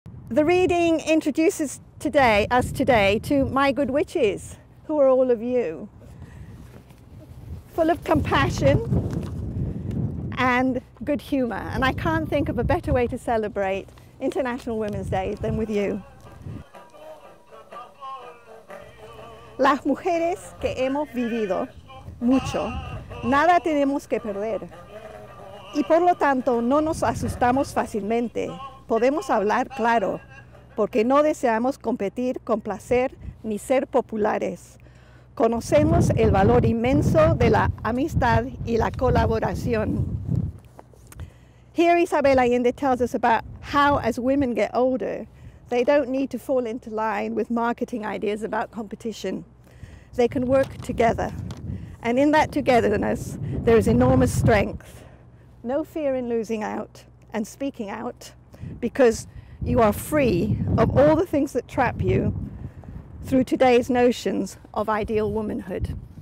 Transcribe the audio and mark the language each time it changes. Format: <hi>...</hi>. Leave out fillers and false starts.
<en>The reading introduces us today to my good witches, who are all of you, full of compassion and good humor. And I can't think of a better way to celebrate International Women's Day than with you.</en> <es>Las mujeres que hemos vivido mucho, nada tenemos que perder. Y por lo tanto, no nos asustamos fácilmente. Podemos hablar claro, porque no deseamos competir con placer ni ser populares. Conocemos el valor inmenso de la amistad y la colaboración.</es> <en>Here Isabel Allende tells us about how, as women get older, they don't need to fall into line with marketing ideas about competition. They can work together. And in that togetherness, there is enormous strength. No fear in losing out and speaking out, because you are free of all the things that trap you through today's notions of ideal womanhood.</en>